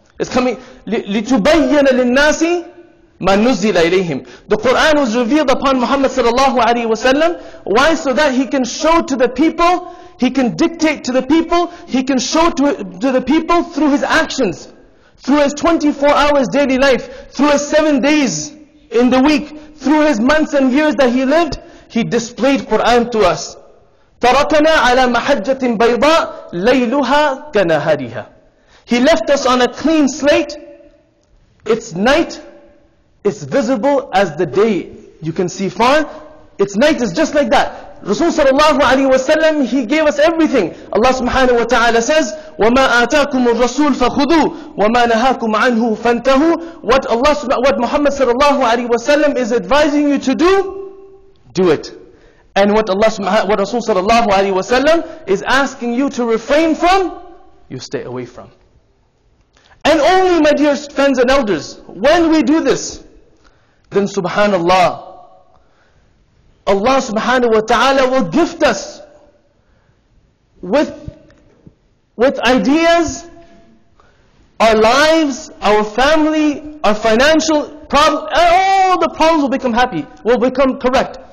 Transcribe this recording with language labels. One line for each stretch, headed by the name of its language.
English: It's coming,
Arabic: لِتُبَيَّنَ لِلنَّاسِ مَا نُزِّلَ إِلَيْهِمْ.
English: The Qur'an was revealed upon Muhammad sallallahu alayhi wa sallam. Why? So that he can show to the people, he can dictate to the people, he can show to the people through his actions, through his 24 hours daily life, through his 7 days in the week, through his months and years that he lived, he displayed Qur'an to us.
Arabic: تَرَكَنَا عَلَى مَحَجَّةٍ بَيْضَاءَ لَيْلُهَا كَنَهَارِهَا.
English: He left us on a clean slate, it's night, it's visible as the day. You can see far. It's night is just like that. Rasul sallallahu alayhi wa sallam, he gave us everything. Allah subhanahu wa ta'ala says,
Arabic: وَمَا آتَاكُمُ الرَّسُولُ فَخُذُوا وَمَا نَهَاكُمْ عَنْهُ فَانْتَهُوا.
English: What Muhammad sallallahu alayhi wa sallam is advising you to do, do it. And what Rasul sallallahu alayhi wa sallam is asking you to refrain from, you stay away from. And only my dear friends and elders, when we do this, then subhanAllah, Allah subhanahu wa ta'ala will gift us with ideas, our lives, our family, our financial problems, all the problems will become happy, will become correct.